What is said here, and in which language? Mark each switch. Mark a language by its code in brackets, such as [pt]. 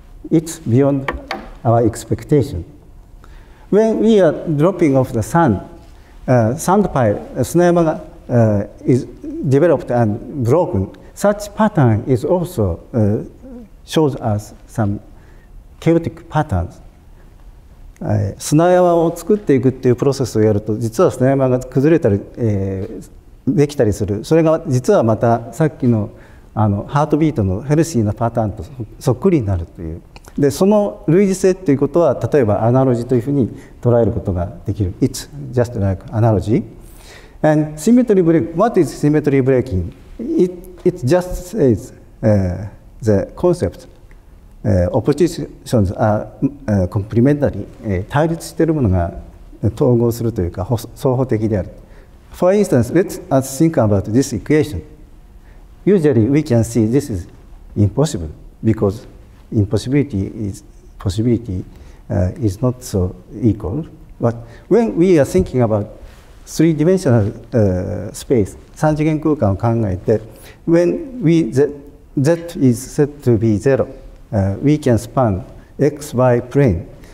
[en] It's beyond our expectation. When we are dropping off the sand, sand pile, [ja] 砂山が [en] is developed and broken,Such pattern is also shows us some chaotic patterns. [ja] 砂山を作っていくっていうプロセスをやると、実は砂山が崩れたり、できたりする。それが実はまたさっき あのハートビートのヘルシーなパターンとそっくりになるという。で、その類似性っていうことは、例えばアナロジーというふうに捉えることができる。 [en] It's just like analogy. And symmetry break, what is symmetry breaking? It just says the concept. Oppositions are complementary. [ja] 対立しているものが統合するというか、相補的である。 [en] For instance, let's think about this equation. Usually we can see this is impossible because impossibility is possibility is not so equal. But when we are thinking about three-dimensional space, [ja] 三次元空間を考えて、 [en] When z is said to be zero, we can span x, y plane.